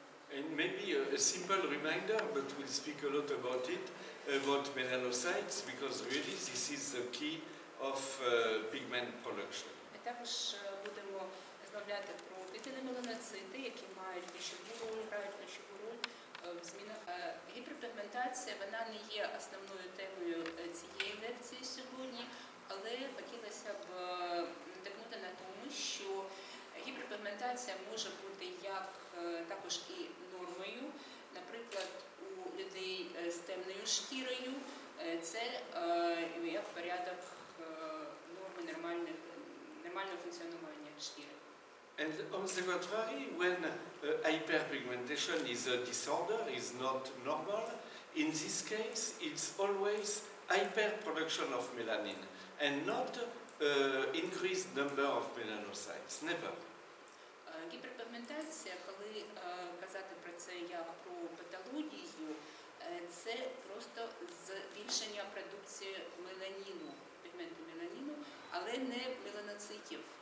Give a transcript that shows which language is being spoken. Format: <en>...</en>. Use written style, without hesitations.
<en>And maybe a simple reminder, but we'll speak a lot about it, about melanocytes, because really this is the key of pigment production.</en> <uk>Також будемо розмовляти про відповідні меланоцити, які мають ключову роль в змінах. Гіперпігментація, вона не є основною темою цієї лекції сьогодні, але хотілося б натикнути на тому, що гіперпігментація може бути як також і нормою. Наприклад, у людей з темною шкірою це як порядок норми нормального функціонування шкіри.</uk> <en>And on the contrary, when hyperpigmentation is a disorder, is not normal, in this case it's always hyperproduction of melanin and not increased number of melanocytes. Never.</en> <uk>Гіперпігментація, коли казати про це як про патологію, це просто збільшення продукції меланіну, пігменту меланіну, але не меланоцитів.</uk>